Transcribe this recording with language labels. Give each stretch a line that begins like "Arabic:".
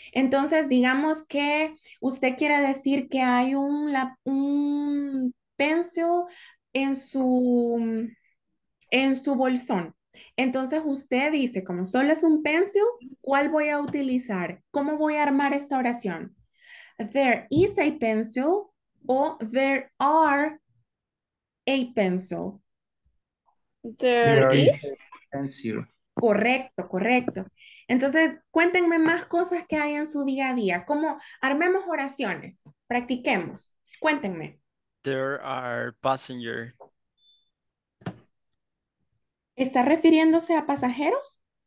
Spanish: Entonces, digamos que usted quiere decir que hay un pencil en su bolsón. Entonces, usted dice, como solo es un pencil, ¿cuál voy a utilizar? ¿Cómo voy a armar esta oración?
English: There is a pencil o there are a pencil. There is.
Spanish: Correcto, correcto. Entonces, cuéntenme más cosas que hay en su día a día. ¿Cómo armemos oraciones? Practiquemos. Cuéntenme.
English: There are passengers.
Spanish: ¿Está refiriéndose a pasajeros?